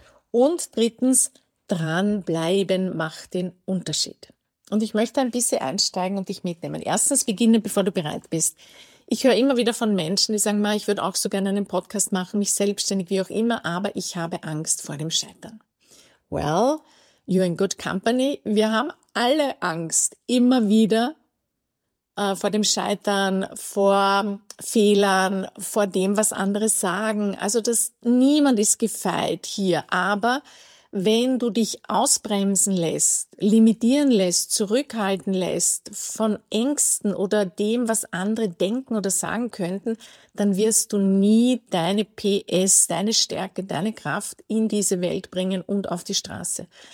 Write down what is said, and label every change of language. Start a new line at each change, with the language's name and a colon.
German: Und drittens, dranbleiben macht den Unterschied. Und ich möchte ein bisschen einsteigen und dich mitnehmen. Erstens beginne, bevor du bereit bist. Ich höre immer wieder von Menschen, die sagen, ich würde auch so gerne einen Podcast machen, mich selbstständig, wie auch immer, aber ich habe Angst vor dem Scheitern.
English: Well, you're in good company.
German: Wir haben alle Angst, immer wieder vor dem Scheitern, vor Fehlern, vor dem, was andere sagen. Also das, niemand ist gefeit hier, aber wenn du dich ausbremsen lässt, limitieren lässt, zurückhalten lässt von Ängsten oder dem, was andere denken oder sagen könnten, dann wirst du nie deine PS, deine Stärke, deine Kraft in diese Welt bringen und auf die Straße.